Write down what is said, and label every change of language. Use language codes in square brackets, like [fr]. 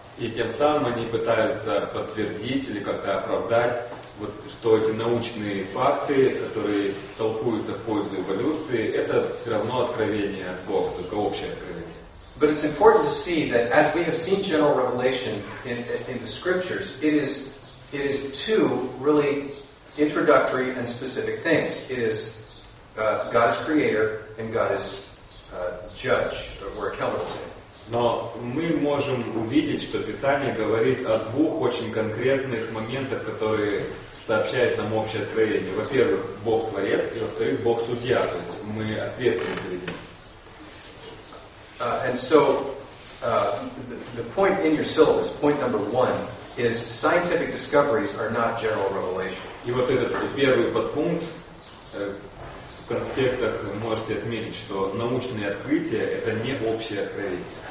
[ru] И тем самым они пытаются подтвердить или как-то оправдать, вот, что эти научные факты, которые толкуются в пользу эволюции, это все равно откровение от Бога, только общее откровение. [en] But it's important to see that as we have seen general revelation in the scriptures, it is two really introductory and specific things. It is God is creator and God is judge, or accountable to him. [ru] Но мы можем увидеть, что Писание говорит о двух очень конкретных моментах, которые сообщают нам общее откровение. Во-первых, Бог творец, и во-вторых, Бог судья, то есть мы ответственны за это. [en] And so the point in your syllabus, point number one, is scientific discoveries are not general revelation. [ru] И вот этот первый подпункт в конспектах можете отметить, что научные открытия – это не общее откровение.